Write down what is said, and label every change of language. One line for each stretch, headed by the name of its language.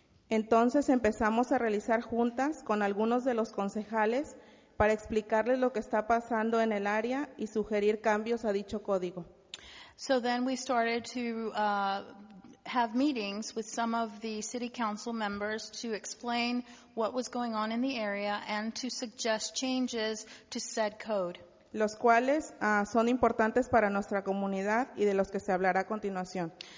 Spanish: Entonces empezamos a realizar juntas con algunos de los concejales para explicarles lo que está pasando en el área y sugerir cambios a dicho código.
English: So then we started to have meetings with some of the city council members to explain what was going on in the area and to suggest changes to said code.
Spanish: Los cuales son importantes para nuestra comunidad y de los que se hablará a continuación.